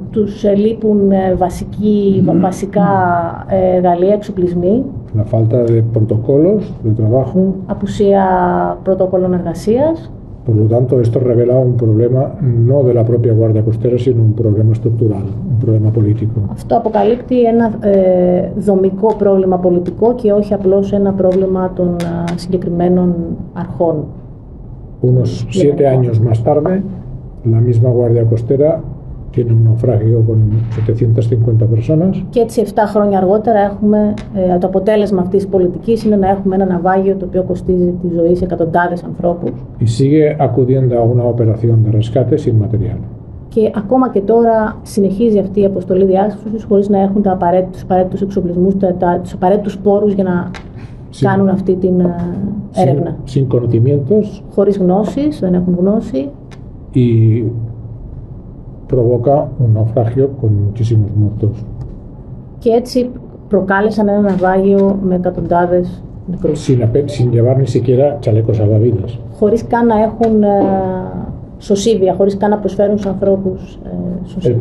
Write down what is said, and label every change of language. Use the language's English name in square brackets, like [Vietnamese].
[Greek] Τους λείπουν βασικά εργαλεία, εξοπλισμοί. [Spanish] La falta de protocolos de trabajo. [Greek] Απουσία πρωτοκόλων εργασίας. [Spanish] Por lo tanto, esto revela un problema no de la propia Guardia Costera, sino un problema estructural, un problema político. [Greek] Αυτό αποκαλύπτει ένα δομικό πρόβλημα πολιτικό και όχι απλώς ένα πρόβλημα των συγκεκριμένων αρχών. [Spanish] Unos siete años más tarde, la misma Guardia Costera tiene un naufragio con 750 personas. [Greek] Και έτσι 7 χρόνια αργότερα έχουμε το αποτέλεσμα αυτής της πολιτικής είναι να έχουμε ένα ναυάγιο το οποίο κοστίζει τη ζωή σε εκατοντάδες ανθρώπους. [Spanish] Y sigue acudiendo a una operación de rescate sin material. [Greek] Και ακόμα και τώρα συνεχίζει αυτή η αποστολή διάσωσης χωρίς να έχουν τους απαραίτητους εξοπλισμούς, τους απαραίτητους πόρους για να κάνουν αυτή την έρευνα. [Spanish] Sin conocimientos. [Greek] Χωρίς γνώσεις, δεν έχουν γνώση. [Spanish] Y provoca un naufragio con muchísimos muertos. [Greek] Και έτσι προκάλεσαν ένα ναυάγιο με εκατοντάδες νεκρούς. [Spanish] Sin llevar ni siquiera chalecos salvavidas. [Greek] Χωρίς καν να έχουν σωσίβια, χωρίς καν να προσφέρουν στους ανθρώπους σωσίβια.